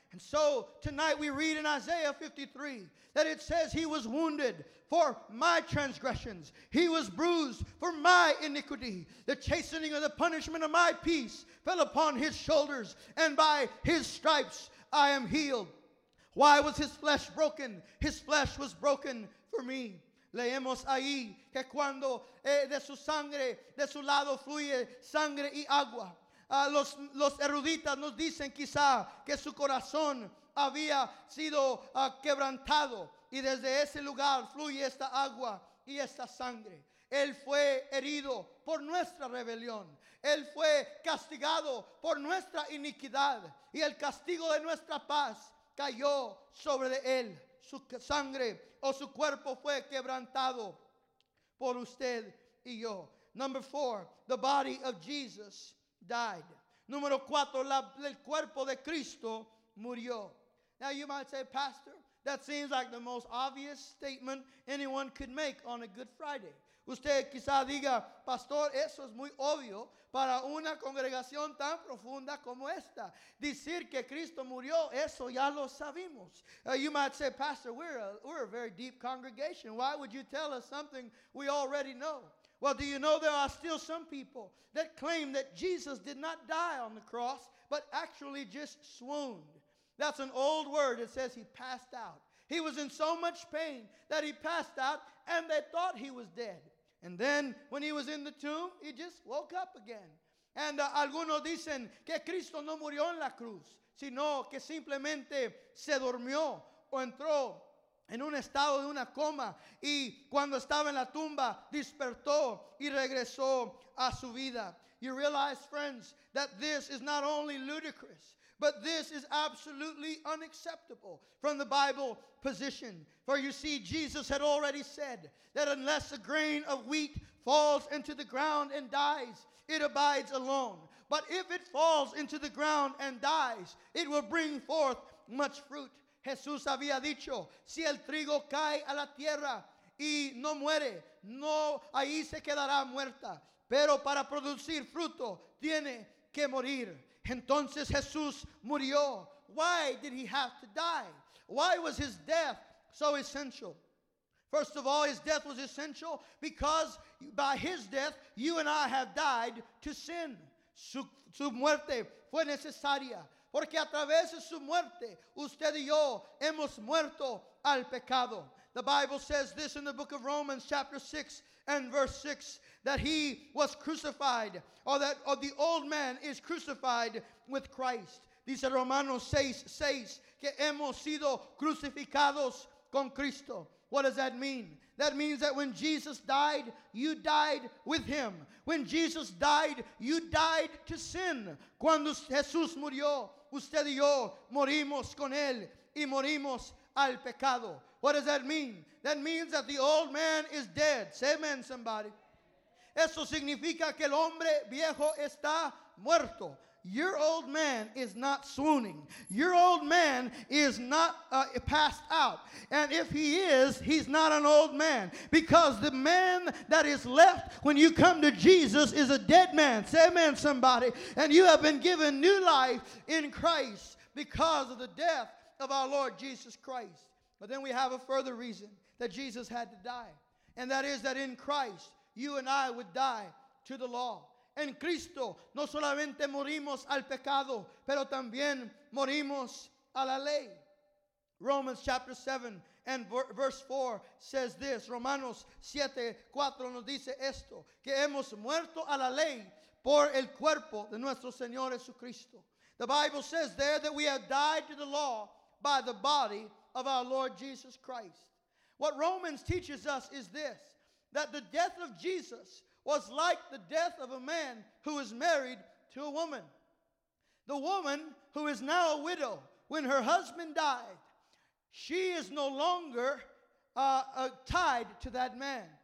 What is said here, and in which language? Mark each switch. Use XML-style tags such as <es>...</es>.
<en>And so tonight we read in Isaiah 53 that it says he was wounded for my transgressions. He was bruised for my iniquity. The chastening of the punishment of my peace fell upon his shoulders, and by his stripes I am healed. Why was his flesh broken? His flesh was broken for me.</en> <es>Leemos ahí que cuando de su sangre, de su lado fluye sangre y agua. Los eruditas nos dicen quizá que su corazón había sido quebrantado, y desde ese lugar fluye esta agua y esta sangre. Él fue herido por nuestra rebelión. Él fue castigado por nuestra iniquidad, y el castigo de nuestra paz cayó sobre él. Su sangre o su cuerpo fue quebrantado por usted y yo.</es> <en>Number four, the body of Jesus died.</en> <es>Número cuatro, el cuerpo de Cristo murió.</es> <en>Now you might say, Pastor, that seems like the most obvious statement anyone could make on a Good Friday.</en> <es>Usted quizá diga, Pastor, eso es muy obvio para una congregación tan profunda como esta. Decir que Cristo murió, eso ya lo sabemos.</es> <en>You might say, Pastor, we're a very deep congregation. Why would you tell us something we already know? Well, do you know there are still some people that claim that Jesus did not die on the cross, but actually just swooned. That's an old word. It says he passed out. He was in so much pain that he passed out, and they thought he was dead. And then when he was in the tomb, he just woke up again.</en> <es>And algunos dicen que Cristo no murió en la cruz, sino que simplemente se durmió o entró en un estado de una coma, y cuando estaba en la tumba, despertó y regresó a su vida.</es> <en>You realize, friends, that this is not only ludicrous, but this is absolutely unacceptable from the Bible position. For you see, Jesus had already said that unless a grain of wheat falls into the ground and dies, it abides alone. But if it falls into the ground and dies, it will bring forth much fruit.</en> <es>Jesús había dicho, si el trigo cae a la tierra y no muere, no ahí se quedará muerta. Pero para producir fruto, tiene que morir. Entonces Jesús murió.</es> <en>Why did he have to die? Why was his death so essential? First of all, his death was essential because by his death, you and I have died to sin.</en> <es>Su muerte fue necesaria, porque a través de su muerte, usted y yo hemos muerto al pecado.</es> <en>The Bible says this in the book of Romans chapter 6 and verse 6, that he was crucified, or the old man is crucified with Christ.</en> <es>Dice Romanos 6:6, que hemos sido crucificados con Cristo.</es> <en>What does that mean? That means that when Jesus died, you died with him. When Jesus died, you died to sin.</en> <es>Cuando Jesús murió, usted y yo morimos con él y morimos al pecado.</es> <en>What does that mean? That means that the old man is dead. Say amen, somebody.</en> <es>Eso significa que el hombre viejo está muerto.</es> <en>Your old man is not swooning. Your old man is not passed out. And if he is, he's not an old man. Because the man that is left when you come to Jesus is a dead man. Say amen, somebody. And you have been given new life in Christ because of the death of our Lord Jesus Christ. But then we have a further reason that Jesus had to die. And that is that in Christ, you and I would die to the law.</en> <es>En Cristo, no solamente morimos al pecado, pero también morimos a la ley.</es> <en>Romans chapter 7 and verse 4 says this.</en> <es>Romanos 7, 4 nos dice esto. Que hemos muerto a la ley por el cuerpo de nuestro Señor Jesucristo.</es> <en>The Bible says there that we have died to the law by the body of our Lord Jesus Christ. What Romans teaches us is this. That the death of Jesus was like the death of a man who is married to a woman. The woman who is now a widow, when her husband died, she is no longer tied to that man.</en>